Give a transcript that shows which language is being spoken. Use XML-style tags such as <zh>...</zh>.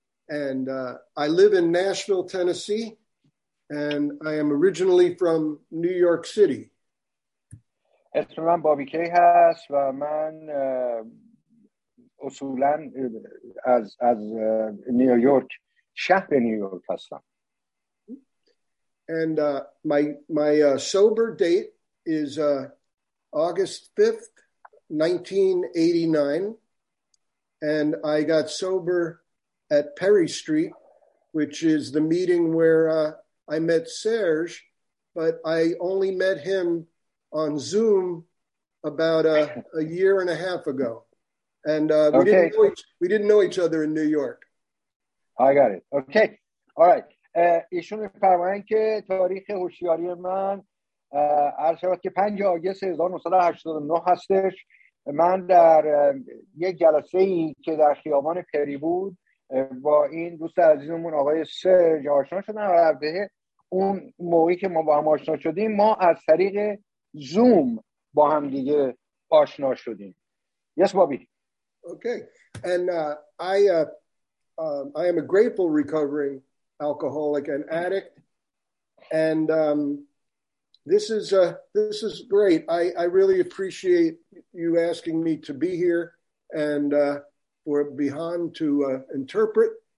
<en>And I live in Nashville, Tennessee, and I am originally from New York City.</en> <fa>اسم من بابی کی هست و من اصولاً از نیویورک، شهر نیویورک هستم.</fa> <en>And my sober date is August 5th, 1989, and I got sober at Perry Street, which is the meeting where I met Serge, but I only met him on Zoom about a year and a half ago. And we didn't know each other in New York. I got it. Okay. All right.</en> <fa>ایشون فرمان که تاریخ هوشیاری من عرشبت که 5 آگست 1989 هستش. من در یک جلسه ای که در خیابان پری بود با این دوست عزیزمون آقای سرج آشنا شدن و البته اون موقعی که ما با هم آشنا شدیم ما از طریق زوم با هم دیگه آشنا شدیم.</fa> <en>Yes, Bobby. Okay. And I am a grateful recovering alcoholic and addict. And this is great. I really appreciate you asking me to be here and or behind to interpret.</en>